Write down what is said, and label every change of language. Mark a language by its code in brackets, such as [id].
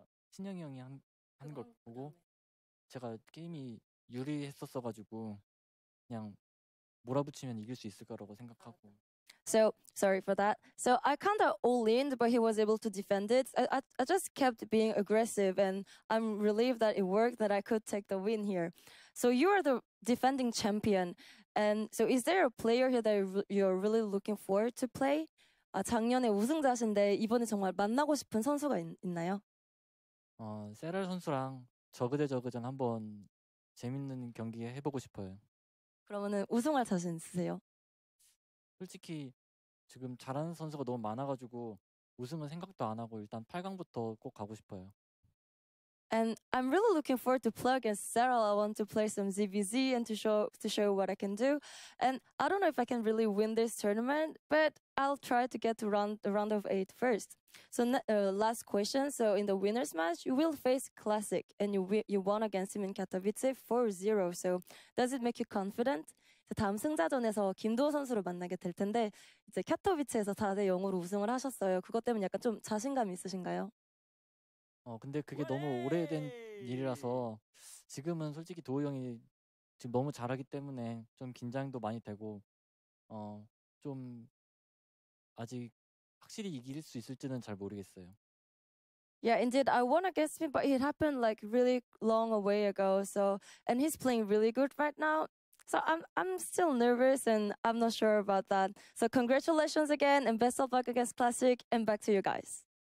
[ko] 신영이 형이 한 걸 보고 제가 게임이 유리했었어가지고 그냥 몰아붙이면 이길 수 있을까라고 생각하고. [en] So, sorry for that. So, I kind of all-in'd, but he was able to defend it. I just kept being aggressive, and I'm relieved that it worked, that I could take the win here. So, you are the defending champion. And so, is there a player here that you're really looking forward to play? [ko] 아, 작년에 우승자신데 이번에 정말 만나고 싶은 선수가 있나요? 세랄 선수랑 저그 대 저그 전 한번 재밌는 경기 해보고 싶어요. 그러면은 우승할 자신 있으세요? 솔직히 지금 잘하는 선수가 너무 많아가지고 우승은 생각도 안 하고 일단 8강부터 꼭 가고 싶어요. [en] And I'm really looking forward to play against Serral. I want to play some ZBZ and to show what I can do. And I don't know if I can really win this tournament, but I'll try to get to round of 8 first. So last question. So in the winners match, you will face Classic and you won against him in Katowice 4-0. So does it make you confident? [ko] 다음 승자전에서 김도호 선수를 만나게 될 텐데 이제 캐토비치에서 4-0으로 우승을 하셨어요. 그것 때문에 약간 좀 자신감이 있으신가요? 근데 그게 너무 오래된 일이라서 지금은 솔직히 도호 형이 지금 너무 잘하기 때문에 좀 긴장도 많이 되고 좀 아직 확실히 이길 수 있을지는 잘 모르겠어요. [en] Yeah, indeed. I won against him, but it happened like really long away ago. So, and he's playing really good right now. So I'm still nervous and I'm not sure about that. So congratulations again and best of luck against Classic and back to you guys.